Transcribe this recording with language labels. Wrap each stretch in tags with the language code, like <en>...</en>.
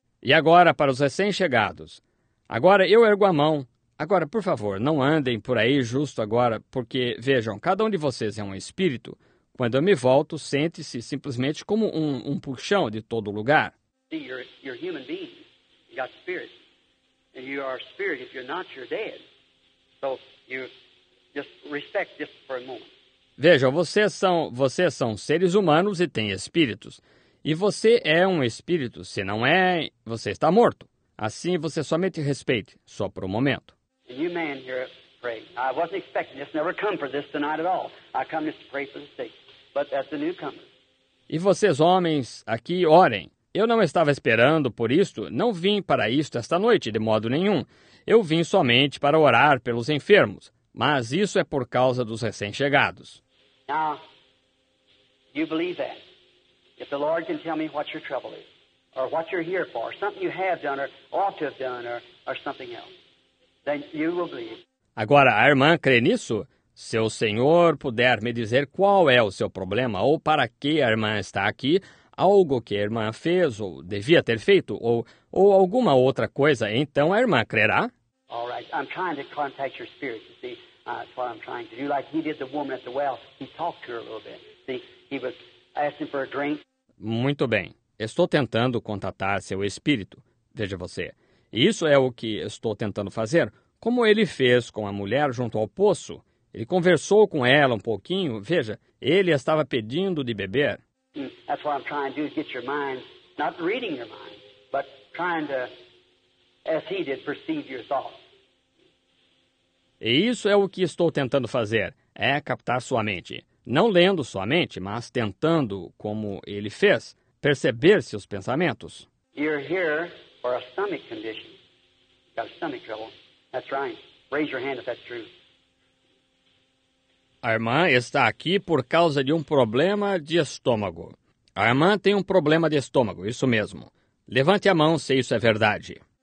<pt>E agora, para os recém-chegados. Agora, eu ergo a mão. Agora, por favor, não andem por aí justo agora, porque, vejam, cada um de vocês é um espírito. Quando eu me volto, sente-se simplesmente como um puxão de todo lugar.</pt> <en>See, you're a human being. You got spirit. And you are a spirit. If you're not, you're dead. So, just respect this for a moment.</en> <pt>Veja, vocês são seres humanos e têm espíritos. E você é um espírito. Se não é, você está morto. Assim, você somente respeite, só por um momento.</pt> <en>And you man here pray. I wasn't expecting this. Never come for this tonight at all. I come just to pray for the sake. But that's the newcomer.</en> <pt>E vocês, homens, aqui, orem. Eu não estava esperando por isto. Não vim para isto esta noite, de modo nenhum. Eu vim somente para orar pelos enfermos. Mas isso é por causa dos recém-chegados.</pt> <en>Now, you believe that? If the Lord can tell me what your trouble is, or what you're here for, something you have done or ought to have done, or something else, then you will believe.</en> <pt>Agora, a irmã crê nisso? Se o Senhor puder me dizer qual é o seu problema, ou para que a irmã está aqui, algo que a irmã fez ou devia ter feito, ou alguma outra coisa, então a irmã crerá?</pt> <en>All right, I'm trying to contact your spirit, you see, that's what I'm trying to do. Like he did the woman at the well, he talked to her a little bit, see, he was asking for a drink.</en> <pt>Muito bem, estou tentando contatar seu espírito, veja você. Isso é o que estou tentando fazer, como ele fez com a mulher junto ao poço. Ele conversou com ela um pouquinho, veja, ele estava pedindo de beber.</pt> <en>That's what I'm trying to do, is get your mind, not reading your mind, but trying to... as he did, perceive your thoughts.</en> <pt>E isso é o que estou tentando fazer, é captar sua mente. Não lendo sua mente, mas tentando, como ele fez, perceber seus pensamentos.</pt> <en>You're here for a stomach condition. Got a stomach trouble. That's right. Raise your hand if that's true.</en> <pt>A irmã está aqui por causa de um problema de estômago. A irmã tem um problema de estômago, isso mesmo. Levante a mão se isso é verdade.</pt>